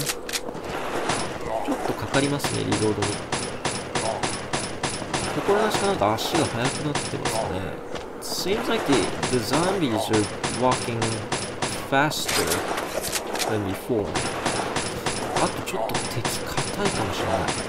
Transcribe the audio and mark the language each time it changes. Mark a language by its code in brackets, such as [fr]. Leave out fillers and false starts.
[ja] ちょっとかかりますね、リロードに。ここら辺は足が速くなってますね。 [en] Seems like the zombies are walking faster than before. [ja] あとちょっと敵硬いかもしれない。